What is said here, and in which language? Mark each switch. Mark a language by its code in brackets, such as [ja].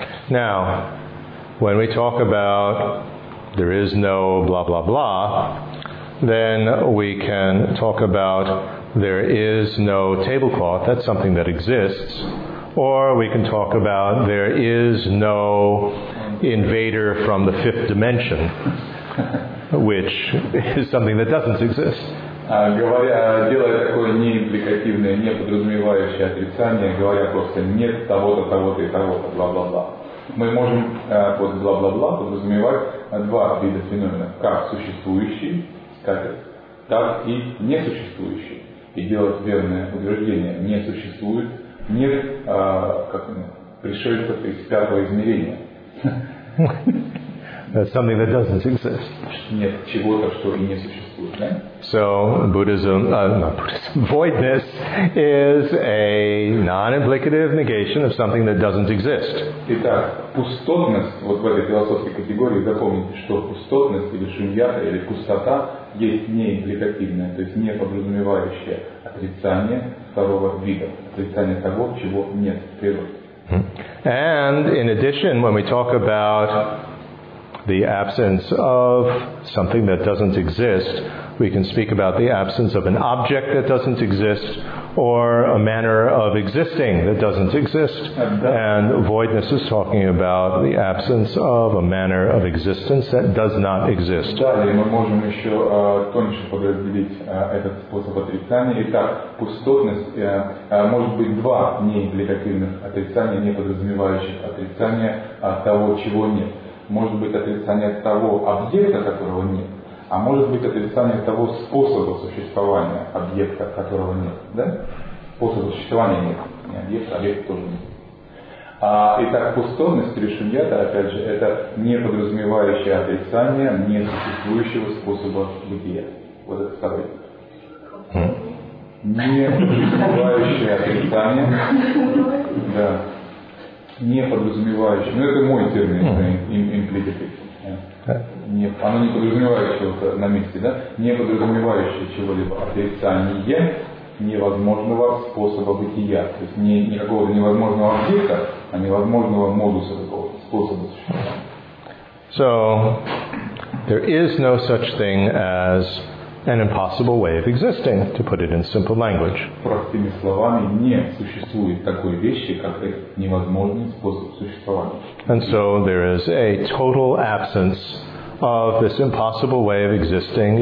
[en] Now, when we talk about there is no blah blah blah, then we can talk about there is no tablecloth, that's something that exists, or we can talk about there is no invader from the fifth dimension, which is something that doesn't exist. [ru] Говоря, делая такое неимпликативное, не подразумевающее отрицание, говоря просто нет того-то, того-то и того-то, бла-бла-бла. Мы можем вот бла-бла-бла подразумевать два вида феномена, как существующий, так и несуществующий. И делать верное утверждение, не существует, нет как, пришельцев из пятого измерения. [en] That's something that doesn't exist. [ru] Нет чего-то, что и не существует, да? [en] So Buddhism, not Buddhism, voidness is a non-implicative negation of something that doesn't exist. [ru] Итак, пустотность, вот в этой философской категории, запомните, что пустотность или шуньята или пустота есть неимпликативное, то есть не подразумевающее отрицание второго вида, отрицание того, чего нет в природе. [en] And in addition, when we talk about the absence of something that doesn't exist, we can speak about the absence of an object that doesn't exist, or a manner of existing that doesn't exist. And voidness is talking about the absence of a manner of existence that does not exist. [ru] Далее мы можем еще тоньше подразделить этот способ отрицания. Итак, пустотность может быть два неимпликативных отрицания, не подразумевающих отрицания того, чего нет. может быть отрицание того объекта, которого нет, а может быть отрицание того способа существования объекта, которого нет. Да? Способа существования нет, не объект, объект тоже нет. Итак, пустотность или шуньята, опять же, это не подразумевающее отрицание несуществующего способа бытия. Вот это второй. Неподразумевающее отрицание. Да. Неподразумевающее. Ну это мой термин, имплитивный. Нет, оно не подразумевает чего-то на месте, да? Не подразумевающее чего-либо отрицание невозможного способа бытия. То есть не, не какого-то невозможного объекта, а невозможного модуса такого, способа существования. [en] So, there is no such thing as an impossible way of existing, to put it in simple language. [ru] Простыми словами, не существует такой вещи, как невозможный способ существования. [en] And so there is a total absence of this impossible way of existing.